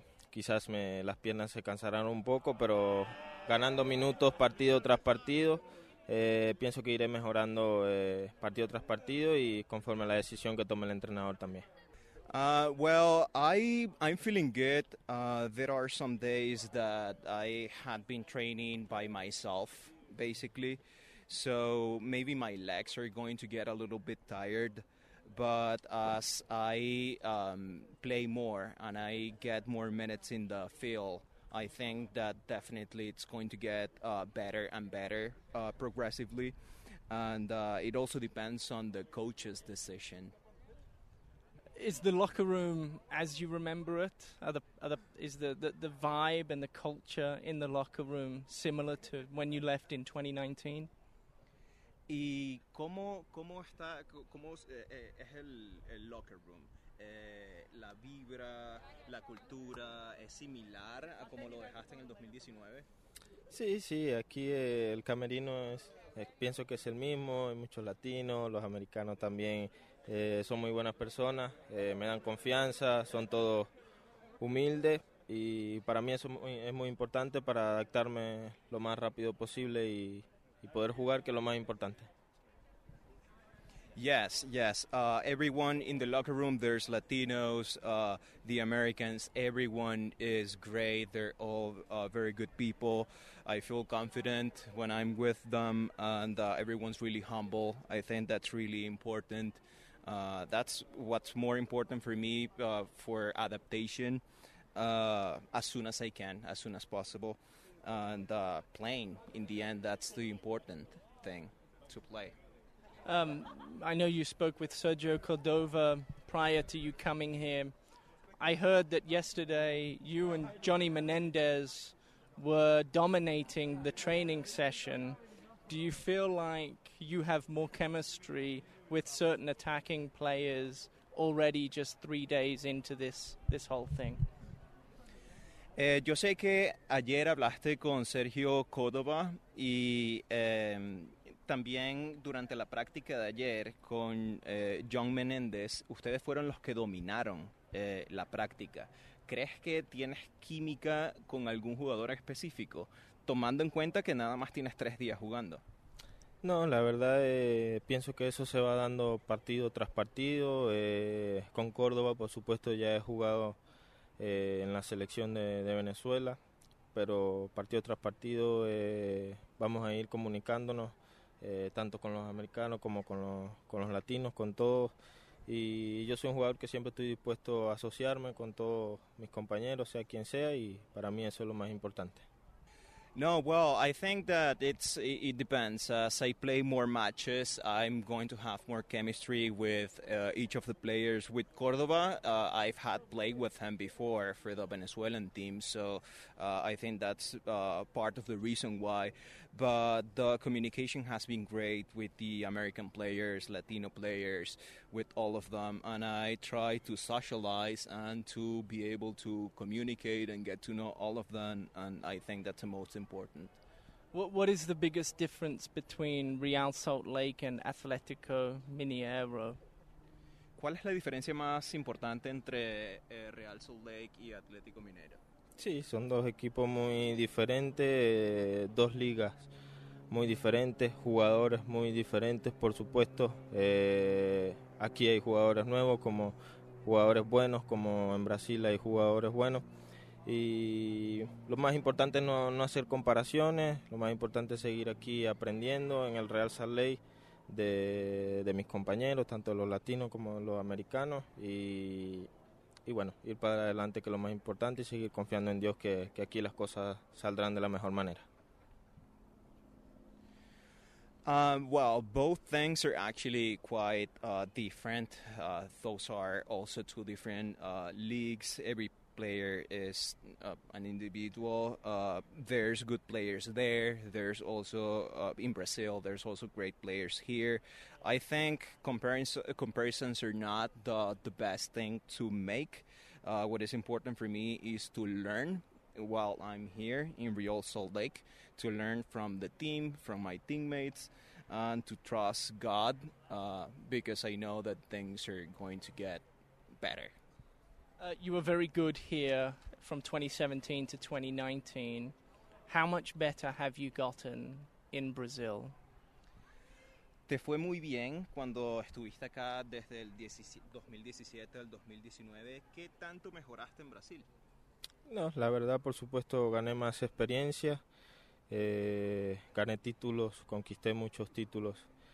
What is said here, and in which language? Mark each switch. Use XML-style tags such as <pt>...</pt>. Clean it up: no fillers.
<es>Quizás las piernas se cansarán un poco, pero ganando minutos partido tras partido, pienso que iré mejorando partido tras partido y conforme a la decisión que tome el entrenador también.</es> <en>Well, I'm feeling good. There are some days that I had been training by myself, basically. So maybe my legs are going to get a little bit tired. But as I play more and I get more minutes in the field, I think that definitely it's going to get better and better progressively. And it also depends on the coach's decision. Is the locker room as you remember it? Is the vibe and the culture in the locker room similar to when you left in 2019?</en> <es>¿Y cómo está es el locker room? ¿La vibra, la cultura es similar a como lo dejaste en el 2019? Sí, aquí el camerino pienso que es el mismo, hay muchos latinos, los americanos también son muy buenas personas, me dan confianza, son todos humildes y para mí eso es muy importante para adaptarme lo más rápido posible y poder jugar, que es lo más importante.</es> <en>Yes. Everyone in the locker room, there's Latinos, the Americans, everyone is great. They're all very good people. I feel confident when I'm with them, and everyone's really humble. I think that's really important. That's what's more important for me for adaptation as soon as I can, as soon as possible. And playing, in the end, that's the important thing, to play. I know you spoke with Sergio Cordova prior to you coming here. I heard that yesterday you and Johnny Menendez were dominating the training session. Do you feel like you have more chemistry with certain attacking players already just 3 days into this whole thing?</en> <es>Yo sé que ayer hablaste con Sergio Córdoba y también durante la práctica de ayer con John Menéndez, ustedes fueron los que dominaron la práctica. ¿Crees que tienes química con algún jugador específico, tomando en cuenta que nada más tienes 3 días jugando? No, la verdad pienso que eso se va dando partido tras partido. Con Córdoba, por supuesto, ya he jugado en la selección de Venezuela pero partido tras partido vamos a ir comunicándonos tanto con los americanos como con los latinos, con todos. Y yo soy un jugador que siempre estoy dispuesto a asociarme con todos mis compañeros, sea quien sea, y para mí eso es lo más importante.</es> <en>No, well, I think that it depends. As I play more matches, I'm going to have more chemistry with each of the players. With Córdoba, I've had play with him before for the Venezuelan team, so I think that's part of the reason why. But the communication has been great with the American players, Latino players, with all of them, and I try to socialize and to be able to communicate and get to know all of them, and I think that's the most important. What is the biggest difference between Real Salt Lake and Atlético Mineiro?</en> <es>¿Cuál es la diferencia más importante entre Real Salt Lake y Atlético Mineiro? Sí, son dos equipos muy diferentes, dos ligas muy diferentes, jugadores muy diferentes, por supuesto. Aquí hay jugadores nuevos, como jugadores buenos, como en Brasil hay jugadores buenos. Y lo más importante es no hacer comparaciones, lo más importante es seguir aquí aprendiendo en el Real Salt Lake de mis compañeros, tanto los latinos como los americanos, y bueno, ir para adelante, que es lo más importante, y seguir confiando en Dios que aquí las cosas saldrán de la mejor manera.</es> <en>Well, both things are actually quite different. Those are also two different leagues. Every player is an individual. There's good players there. There's also in Brazil, there's also great players here. I think comparisons are not the best thing to make. What is important for me is to learn while I'm here in Real Salt Lake, to learn from the team, from my teammates, and to trust God, because I know that things are going to get better. You were very good here from 2017 to 2019. How much better have you gotten in Brazil?</en> <es>Te fue muy bien cuando estuviste acá desde el 2017 al 2019. ¿Qué tanto mejoraste en Brasil? No, la verdad, por supuesto, gané más experiencia. Gané títulos, conquisté muchos títulos.</es>